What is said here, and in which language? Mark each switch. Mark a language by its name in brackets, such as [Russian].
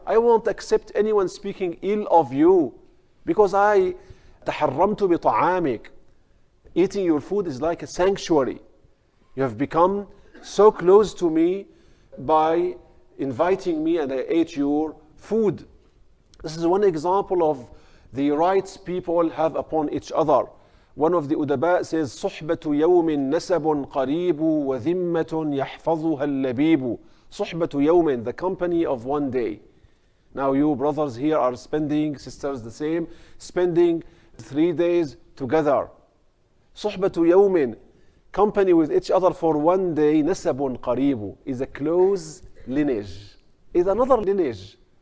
[English] I won't accept anyone speaking ill of you because I [Arabic] تحرمتُ بطعامك. [English] Eating your food is like a sanctuary. You have become so close to me by inviting me and I ate your food. This is one example of the rights people have upon each other. One of the Udaba says, [Arabic] صُحْبَةُ يَوْمٍ نَسَبٌ قَرِيبُ وَذِمَّةٌ يَحْفَظُهَا اللَّبِيبُ. صُحْبَةُ يَوْمٍ, [English] the company of one day. Now you brothers here are spending, sisters the same, spending 3 days together. [Arabic] صُحْبَةُ يَوْمٍ, [English] company with each other for one day, [Arabic] نَسَبٌ قَرِيبُ, [English] is a close lineage, is another lineage.